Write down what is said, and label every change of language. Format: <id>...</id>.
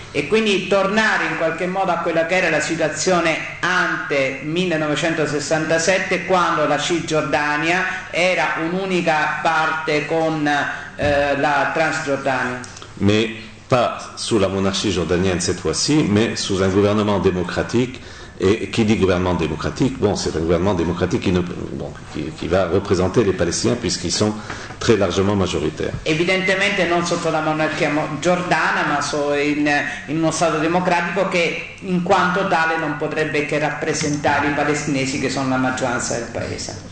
<it>E quindi tornare in qualche modo a quella che era la situazione ante 1967, quando la Cisgiordania era un'unica parte con la Transjordania.</it> <fr>Mais pas sous la monarchie jordanienne cette fois-ci, mais sous un gouvernement démocratique. Et qui dit gouvernement démocratique, bon, c'est un gouvernement démocratique qui va représenter les Palestiniens puisqu'ils sont très largement majoritaires. Évidemment,</fr> <it>non sotto la monarchia giordana, ma in uno stato democratico che in quanto tale non potrebbe che rappresentare i palestinesi che sono la maggioranza del paese.</it>